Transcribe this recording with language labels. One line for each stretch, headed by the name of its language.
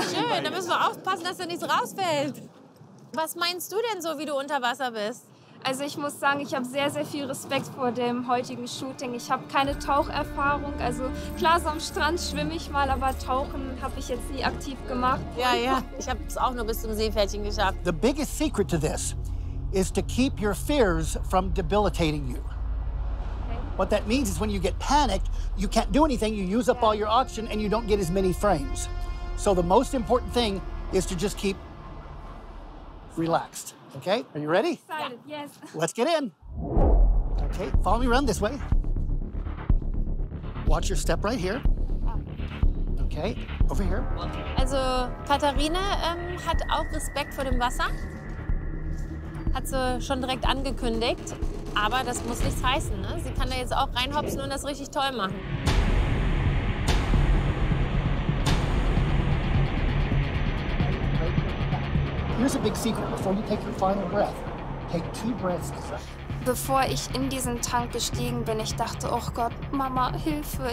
German: Schön, da müssen wir aufpassen, dass da nichts rausfällt. Was meinst du denn so, wie du unter Wasser bist? Also ich muss sagen, ich habe sehr, sehr viel Respekt vor dem heutigen Shooting. Ich habe keine Taucherfahrung. Also klar, so am Strand schwimme ich mal, aber Tauchen habe ich jetzt nie aktiv gemacht. Ja, ja, ich habe es auch nur bis zum Seepferdchen geschafft.
English: The biggest secret to this is to keep your fears from debilitating you. What that means is when you get panicked, you can't do anything, you use up all your oxygen and you don't get as many frames. So the most important thing is to just keep relaxed, okay? Are you ready? Excited, yes. Let's get in. Okay, follow me around this way. Watch your step right here. Okay, over here.
German: Also, Katharine hat auch Respekt vor dem Wasser. Hat sie schon direkt angekündigt. Aber das muss nichts heißen, ne? Sie kann da jetzt auch reinhopsen und das richtig toll machen.
English: Here's a big secret. Before you take your final breath, take two breaths.
German: Bevor ich in diesen Tank gestiegen bin, ich dachte, oh Gott, Mama, Hilfe.